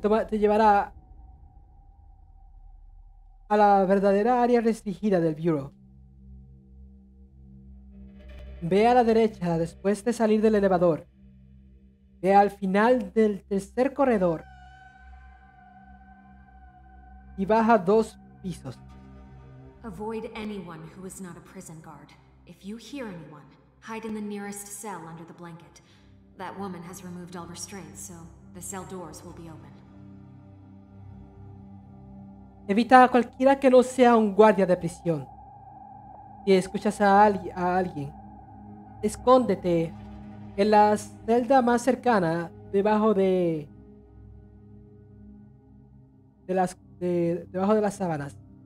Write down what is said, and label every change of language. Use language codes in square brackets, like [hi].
[es] Te llevará a la verdadera área restringida del bureau. Ve a la derecha después de salir del elevador. Ve al final del tercer corredor y baja 2 pisos. [en] Avoid anyone who is not a prison guard. If you hear anyone, hide in the nearest cell under the blanket. That woman has removed all restraints, so the cell doors will be open. [es] Evita a cualquiera que no sea un guardia de prisión. Si escuchas a alguien, escóndete en la celda más cercana debajo de las sábanas.